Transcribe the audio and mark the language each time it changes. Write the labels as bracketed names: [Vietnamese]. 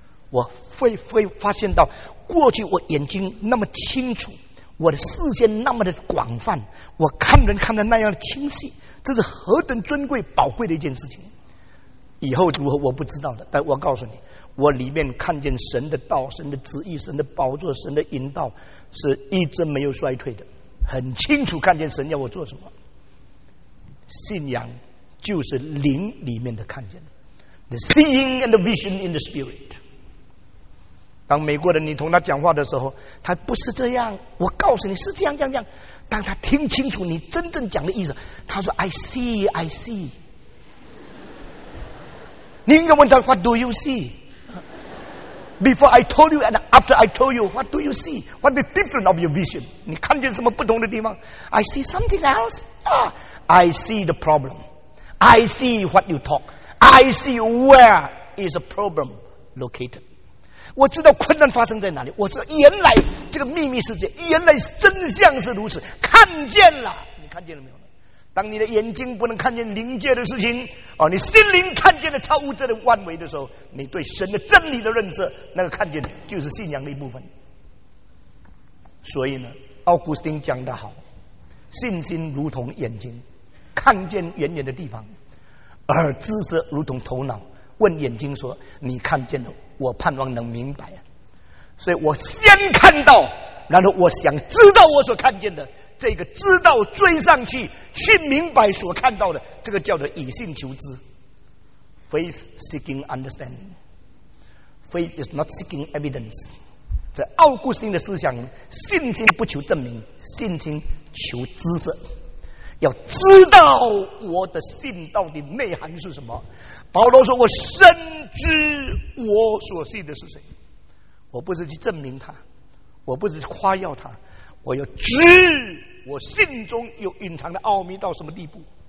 [Chinese] 我会发现到过去我眼睛那么清楚，我的视线那么的广泛，我看人看得那样的清晰，这是何等尊贵宝贵的一件事情。以后如何我不知道的，但我告诉你，我里面看见神的道、神的旨意、神的宝座、神的引导是一直没有衰退的，很清楚看见神要我做什么。信仰就是灵里面的看见， [English] The seeing and the vision in the spirit。 [Chinese] 当美国人你同他讲话的时候，他不是这样，我告诉你是这样这样这样，当他听清楚你真正讲的意思，他说 [English] I see, I see。 [Chinese] 你应该问他 [English] What do you see? Before I told you and after I told you, what do you see? What is different of your vision? [Chinese] 你看见什么不同的地方？ [English] I see something else. Ah, I see the problem. I see what you talk. I see where is the problem located. [Chinese] 我知道困难发生在哪里。我知道原来这个秘密世界，原来真相是如此。看见了，你看见了没有？当你的眼睛不能看见灵界的事情，哦，你心灵看见了超乎这的万维的时候，你对神的真理的认识，那个看见就是信仰的一部分。所以呢，奥古斯丁讲得好，信心如同眼睛，看见远远的地方；而知识如同头脑，问眼睛说：“你看见了，我盼望能明白。” 所以我先看到，然后我想知道我所看见的。这个知道追上去去明白所看到的，这个叫做以信求知。 [English] Faith seeking understanding. Faith is not seeking evidence. [Chinese] 这奥古斯丁的思想，信心不求证明，信心求知识，要知道我的信到底内涵是什么。保罗说，我深知我所信的是谁，我不是去证明他，我不是去夸耀他，我要知我信中有隐藏的奥秘到什么地步。